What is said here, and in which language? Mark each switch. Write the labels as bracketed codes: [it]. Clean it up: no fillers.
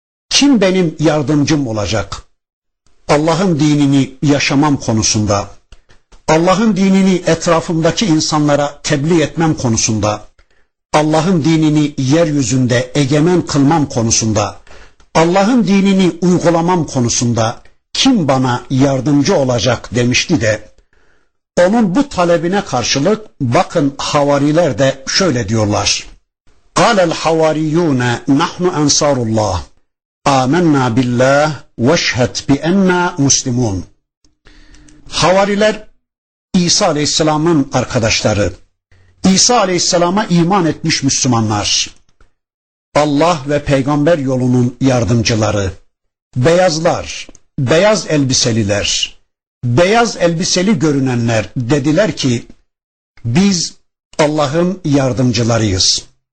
[tr] Kim benim yardımcım olacak? Allah'ın dinini yaşamam konusunda, Allah'ın dinini etrafımdaki insanlara tebliğ etmem konusunda, Allah'ın dinini yeryüzünde egemen kılmam konusunda, Allah'ın dinini uygulamam konusunda kim bana yardımcı olacak demişti de, onun bu talebine karşılık bakın havariler de şöyle diyorlar. [ar] قال الحواريون نحن أنصار الله آمنا بالله واشهد بأننا مسلمون. [tr] Havariler İsa Aleyhisselam'ın arkadaşları. İsa Aleyhisselam'a iman etmiş Müslümanlar. Allah ve peygamber yolunun yardımcıları. Beyazlar, beyaz elbiseliler, beyaz elbiseli görünenler dediler ki biz Allah'ın yardımcılarıyız.